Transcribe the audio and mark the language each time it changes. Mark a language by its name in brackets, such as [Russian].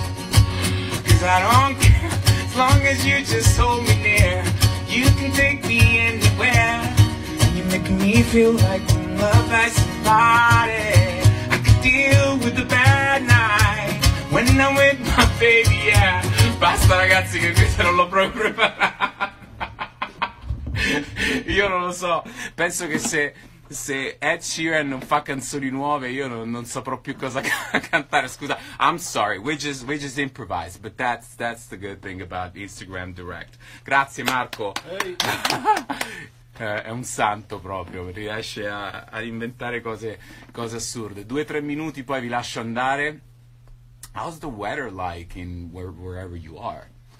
[English] Cause I don't care, as long as you just hold me near. You can take me anywhere. And you're making me feel like I'm loved by somebody. Deal with the bad night when I'm with my baby, yeah. [Italian] Basta ragazzi, che questo non l'ho proprio preparato. Io non lo so, penso che se Ed Sheeran non fa canzoni nuove, io non saprò più cosa cantare. Scusa, [English] I'm sorry, we just improvise, but that's the good thing about Instagram Direct. [Italian] Grazie Marco. [English] Hey. [Italian] È un santo proprio, riesce a inventare cose assurde. 2-3 minuti, poi vi lascio andare. [English] How's the weather like in wherever you are?